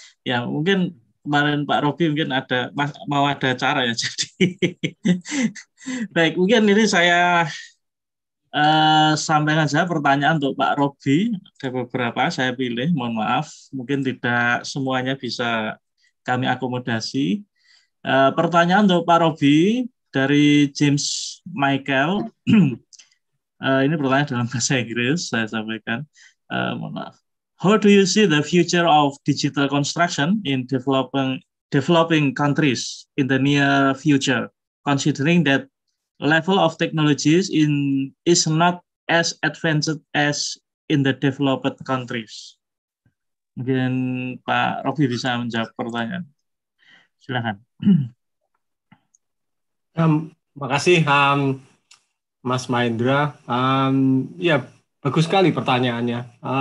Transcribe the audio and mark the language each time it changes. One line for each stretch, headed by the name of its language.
Indonesian: Ya, mungkin kemarin Pak Robi mungkin ada mau ada cara ya, jadi baik, mungkin ini saya sampaikan saja pertanyaan untuk Pak Robi, ada beberapa saya pilih, mohon maaf mungkin tidak semuanya bisa kami akomodasi. Pertanyaan untuk Pak Robi dari James Michael. Ini pertanyaan dalam bahasa Inggris, saya sampaikan, mohon maaf.
English: How do you see the future of digital construction in developing countries in the near future, considering that level of technologies is not as advanced as in the developed countries?
Indonesian: Mungkin Pak Robi bisa menjawab pertanyaan. Silakan. Terima kasih, Mas Mahendra. Ya, bagus sekali pertanyaannya.